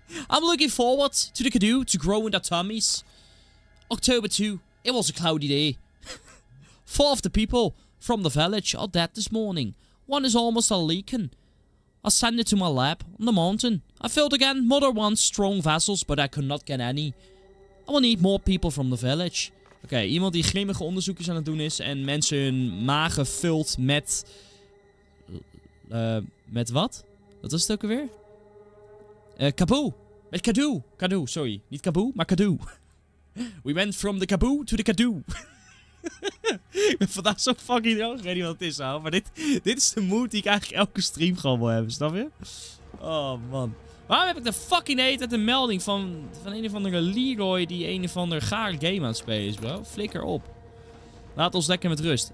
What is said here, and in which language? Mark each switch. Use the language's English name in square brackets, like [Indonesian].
[English] I'm looking forward to the cadu to grow in their tummies. October 2. It was a cloudy day. 4 of the people from the village are dead this morning. One is almost a leaking. I sent it to my lab on the mountain. I filled again Mother One's strong vessels, but I could not get any. I will need more people from the village. [Dutch] Oké, iemand die grimmige onderzoekjes aan het doen is en mensen hun magen vult met... met wat? Wat was het ook alweer? Kaboe. Met kadoe. Kadoe, sorry. Niet kaboe, maar kadoe. [English] We went from the kaboe to the kadoe. [Dutch] Ik ben vandaag zo fucking droog. Ik weet niet wat het is, hoor. Maar dit is de mood die ik eigenlijk elke stream gewoon wil hebben, snap je? Oh, man. Waarom heb ik de fucking hate uit een melding van een of andere Leroy die een of andere gare game aan het spelen is, bro? Flikker op. Laat ons lekker met rust.